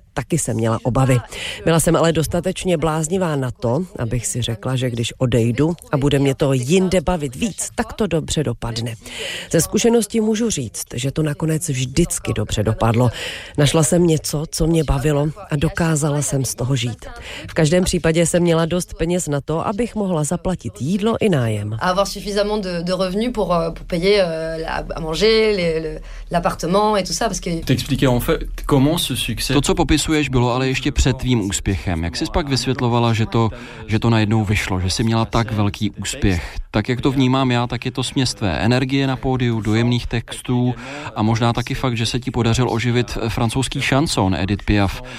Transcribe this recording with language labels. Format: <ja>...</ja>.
<cs>Taky jsem měla obavy. Byla jsem ale dostatečně bláznivá na to, abych si řekla, že když odejdu a bude mě to jinde bavit víc, tak to dobře dopadne. Ze zkušenosti můžu říct, že to nakonec vždycky dobře dopadlo. Našla jsem něco, co mě bavilo a dokázala jsem z toho žít. V každém případě jsem měla dost peněz na to, abych mohla zaplatit jídlo i nájem.</cs> <fr>Avoir suffisamment de revenus pour payer la à manger, l'appartement et tout ça parce que t'expliquer en fait comment ce succès.</fr> <cs>To, co popis bylo ale ještě před tvým úspěchem. Jak jsi pak vysvětlovala, že to najednou vyšlo, že jsi měla tak velký úspěch? Tak jak to vnímám já, tak je to směs tvé energie na pódiu, dojemných textů a možná taky fakt, že se ti podařil oživit francouzský chanson Edith Piaf.</cs>